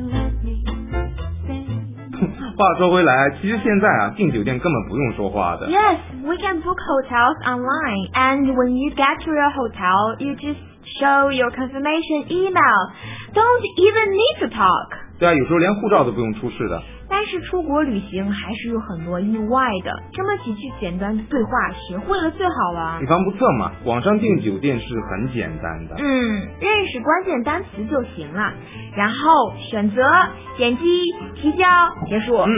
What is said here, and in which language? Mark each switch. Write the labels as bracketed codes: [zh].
[zh] 话说回来，其实现在啊，订酒店根本不用说话的。 [en] Yes, we can book hotels online, and when you get to your hotel, you just show your confirmation email. Don't even need to talk. [zh] 对啊，有时候连护照都不用出示的。但是出国旅行还是有很多意外的，这么几句简单的对话，学会了最好了。以防不测嘛，网上订酒店是很简单的。嗯，认识关键单词就行了，然后选择、点击、提交、结束。